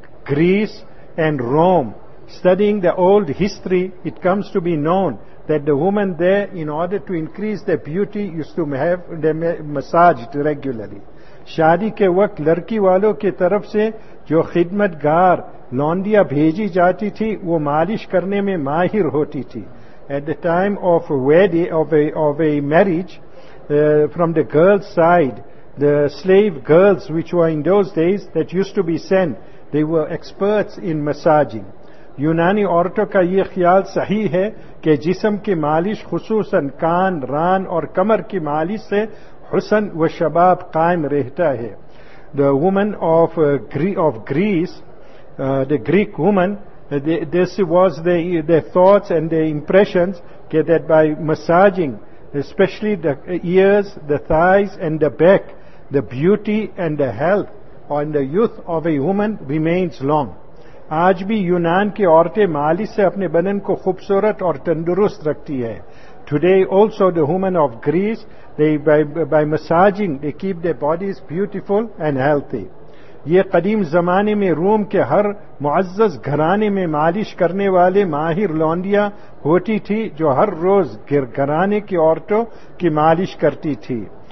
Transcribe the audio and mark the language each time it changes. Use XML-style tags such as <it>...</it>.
<en>Greece and Rome, studying the old history, it comes to be known that the women there in order to increase the beauty used to have the massage regularly.</en> <ur>شادی کے وقت لڑکی والوں کی طرف سے جو خدمت گار لانڈیا بھیجی جاتی تھی وہ مالش کرنے میں ماہر ہوتی تھی.</ur> <en>At the time of of a marriage from the girls side the slave girls which were in those days that used to be sent they were experts in massaging.</en> <ur>یونانی عورتوں کا یہ خیال صحیح ہے کہ جسم کی مالش خصوصاً کان ران اور کمر کی مالش سے حسن و شباب قائم رہتا ہے.</ur> <en>The woman of of Greece the Greek woman this was the thoughts and the impressions کہ that by massaging especially the ears the thighs and the back the beauty and the health and the youth of a woman remains long.</en> <ur>آج بھی یونان کی عورتیں مالش سے اپنے بدن کو خوبصورت اور تندرست رکھتی ہے.</ur> <en>Today also the woman of Greece by massaging they keep the bodies beautiful and healthy.</en> <ur>یہ قدیم زمانے میں روم کے ہر معزز گھرانے میں مالش کرنے والے ماہر لانڈیاں ہوتی تھی جو ہر روز گھرانے کی عورتوں کی مالش کرتی تھی.</ur>